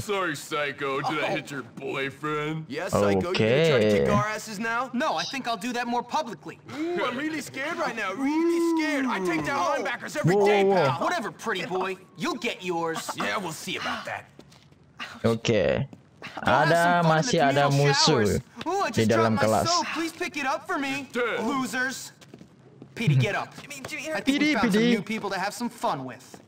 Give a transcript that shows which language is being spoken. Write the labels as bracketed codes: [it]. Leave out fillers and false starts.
[en] Sorry, psycho. Did I hit your boyfriend? Yes, psycho. Okay. You gonna try to kick our asses now? No, I think I'll do that more publicly. Ooh, I'm really scared right now. Really scared. I take down linebackers every day, pal. Whatever, pretty boy. You'll get yours. Yeah, we'll see about that. [id] Oke. Ada masih ada musuh di dalam kelas. [en] Please pick it up for me. Losers. Petey, get up. I think we found some new people to have some fun with.